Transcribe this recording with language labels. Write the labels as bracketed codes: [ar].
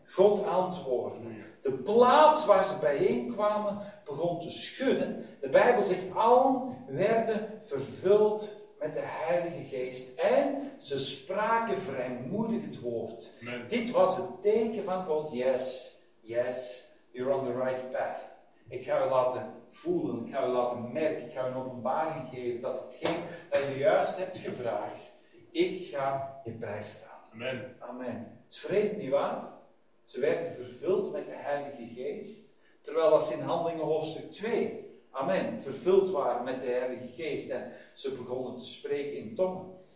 [nl] God antwoordde. Mm-hmm. De plaats waar ze bijeenkwamen begon te schudden. De Bijbel zegt, allen werden vervuld met de Heilige Geest. En ze spraken vrijmoedig het woord. Amen. Dit was het teken van God. [en] Yes, yes, you're on the right path. [nl] Ik ga je laten voelen, ik ga je laten merken, ik ga een openbaring geven dat hetgeen dat je juist hebt gevraagd, ik ga je bijstaan. Amen. Amen. Het is vreemd, nietwaar? Ze werden vervuld met de Heilige Geest, terwijl als in Handelingen hoofdstuk 2, amen, vervuld waren met de Heilige Geest en ze begonnen te spreken in tongen.